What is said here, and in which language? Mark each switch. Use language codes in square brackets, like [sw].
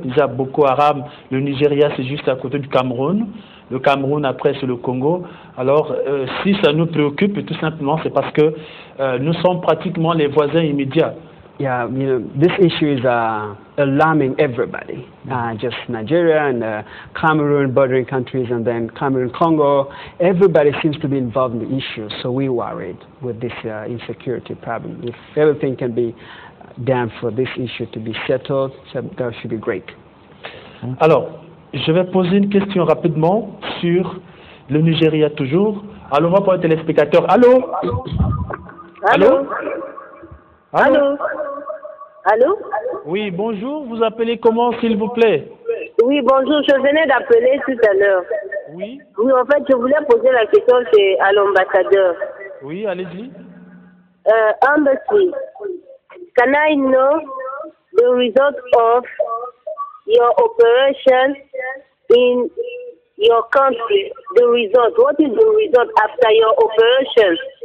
[fr] Il y a Boko Haram, le Nigeria c'est juste à côté du Cameroun, le Cameroun après c'est le Congo. Alors, si ça nous préoccupe, tout simplement, c'est parce que nous sommes pratiquement les voisins immédiats. [en] Yeah, you know, this issue is alarming everybody. Just Nigeria and Cameroon, bordering countries, and then Cameroon, Congo. Everybody seems to be involved in the issue, so we're worried with this insecurity problem. If everything can be done for this issue to be settled, that should be great. [fr] Alors, je vais poser une question rapidement sur le Nigeria toujours. Allô, on va pour les téléspectateurs. Allô? Allô? Allô? Allô? Allô? Oui, bonjour, vous appelez comment, s'il vous plaît? Oui, bonjour, je venais d'appeler tout à l'heure. Oui? Oui, en fait, je voulais poser la question à l'ambassadeur. Oui, allez-y. [en] Embassy, can I know the result of your operation in your country? The result, what is the result after your operation?